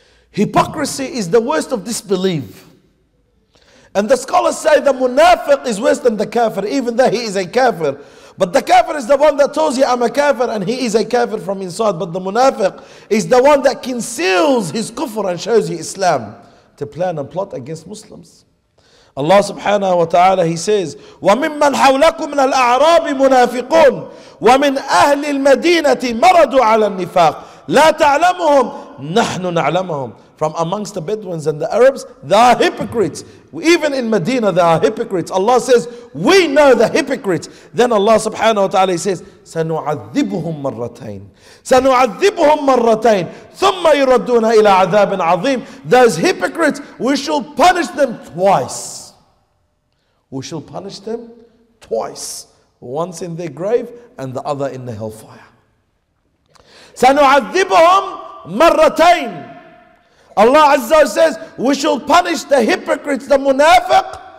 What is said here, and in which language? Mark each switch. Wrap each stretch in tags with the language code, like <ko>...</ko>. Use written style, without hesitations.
<en>Hypocrisy is the worst of disbelief. And the scholars say the munafiq is worse than the kafir, even though he is a kafir. But the kafir is the one that tells you, "I'm a kafir," and he is a kafir from inside. But the munafiq is the one that conceals his kufr and shows you Islam to plan and plot against Muslims. Allah subhanahu wa ta'ala, he says,</en> <ar>وَمِمَّنْ حَوْلَكُمْ مِنَ الْأَعْرَابِ مُنَافِقُونَ وَمِنْ أَهْلِ الْمَدِينَةِ مَرَدُوا عَلَى النِّفَاقِ لَا تَعْلَمُهُمْ نَحْنُ نَعْلَمُهُمْ.</ar> <en>From amongst the Bedouins and the Arabs, they are hypocrites. Even in Medina, they are hypocrites. Allah says, "We know the hypocrites." Then Allah subhanahu wa ta'ala says,</en> <ar>سَنُعَذِّبُهُمْ مَرَّتَيْنِ سَنُعَذِّبُهُمْ مَرَّتَيْنِ ثُمَّ يُرَدُّونَ إِلَىٰ عَذَابٍ عَظِيمٍ.</ar> <en>Those hypocrites, we shall punish them twice. We shall punish them twice. Once in their grave and the other in the hellfire.</en> <ar>سَنُعَذِّبُهُمْ مَرَّتَيْنِ.</ar> <en>Allah Azza says, we should punish the hypocrites, the munafiq.</en>